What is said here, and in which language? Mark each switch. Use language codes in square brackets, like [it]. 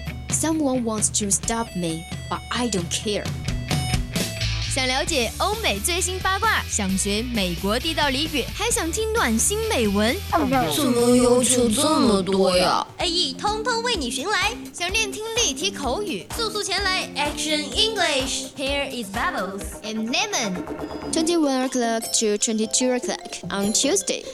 [en] Someone wants to stop me, but I don't care. [zh] 想了解欧美最新八卦，想学美国地道俚语，还想听暖心美文，怎么要求这么多呀？ AE 通通为你寻来。想练听力提口语，速速前来 Action English. [en] Here is Bubbles and Lemon. 21 o'clock to 22 o'clock on Tuesday.